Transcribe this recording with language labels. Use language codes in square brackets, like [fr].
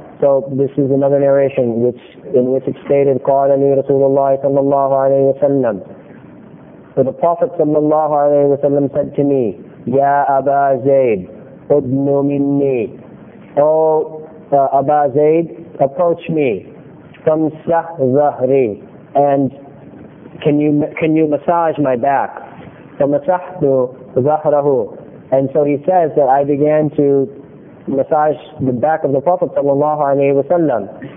[en] So this is another narration in which it stated [ar] قال لي رسول الله صلى الله عليه وسلم. [en] So the Prophet صلى الله عليه وسلم said to me, [ar] يا أبا زيد ادن مني. [en] Oh, أبا زيد, approach me from [ar] سه ظهري, [en] and can you massage my back. [ar] فمسحت ظهره. [en] And so he says that I began to massage the back of the Prophet sallallahu alaihi wasallam.